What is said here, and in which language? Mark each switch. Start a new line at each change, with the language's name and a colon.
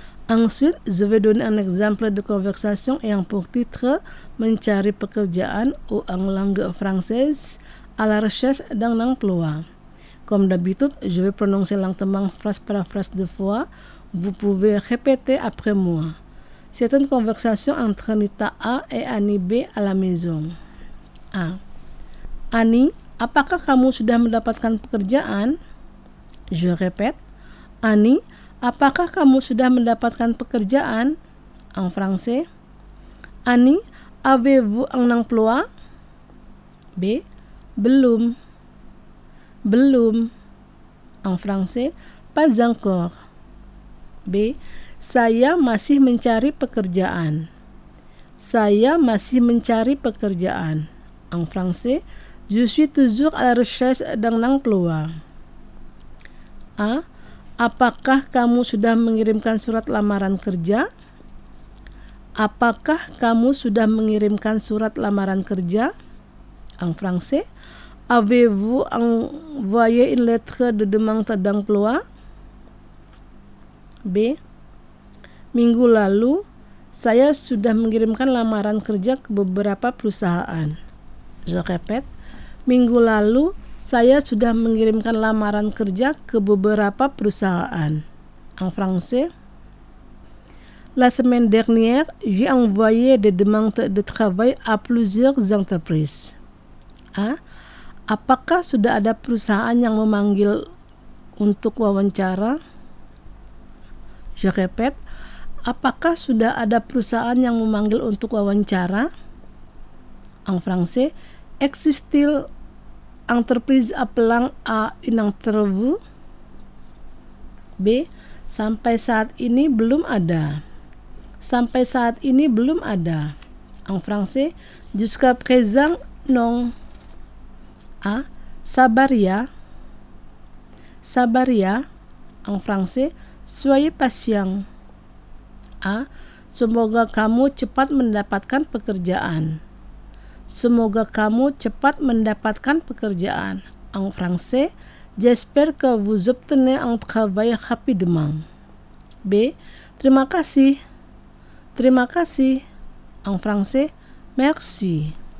French: Ensuite, je vais donner un exemple de conversation ayant pour titre
Indonesian: Mencari pekerjaan
French: ou en langue française à la recherche d'un emploi. Comme d'habitude, je vais prononcer lentement phrase par phrase deux fois. Vous pouvez répéter après moi. C'est une conversation entre Anita A et Annie B à la maison. A.
Indonesian: Annie, apakah kamu sudah mendapatkan pekerjaan?
French: Je répète.
Indonesian: Annie, apakah kamu sudah mendapatkan pekerjaan?
French: En français. Annie, avez-vous un emploi? B.
Indonesian: Belum. Belum.
French: En français. Pas encore. B.
Indonesian: Saya masih mencari pekerjaan. Saya masih mencari pekerjaan.
French: En français. Je suis toujours à la recherche d'un emploi. A.
Indonesian: Apakah kamu sudah mengirimkan surat lamaran kerja? Apakah kamu sudah mengirimkan surat lamaran kerja?
French: En français. Avez-vous envoyé une lettre de demande d'emploi?
Indonesian: B. Minggu lalu, saya sudah mengirimkan lamaran kerja ke beberapa perusahaan.
French: Je répète.
Indonesian: Minggu lalu, saya sudah mengirimkan lamaran kerja ke beberapa perusahaan.
French: En français. La semaine dernière, j'ai envoyé des demandes de travail à plusieurs entreprises. A.
Indonesian: Apakah sudah ada perusahaan yang memanggil untuk wawancara?
French: Je répète.
Indonesian: Apakah sudah ada perusahaan yang memanggil untuk wawancara?
French: En français. Existe-t-il entreprise appelant à une entrevue? B.
Indonesian: Sampai saat ini belum ada. Sampai saat ini belum ada.
French: En français. Jusqu'à présent, non. A.
Indonesian: Sabar ya. Sabar ya.
French: En français. Soyez patient. A.
Indonesian: Semoga kamu cepat mendapatkan pekerjaan. Semoga kamu cepat mendapatkan pekerjaan.
French: En français, j'espère que vous obtenez un travail rapidement. B.
Indonesian: Terima kasih. Terima kasih.
French: En français, merci.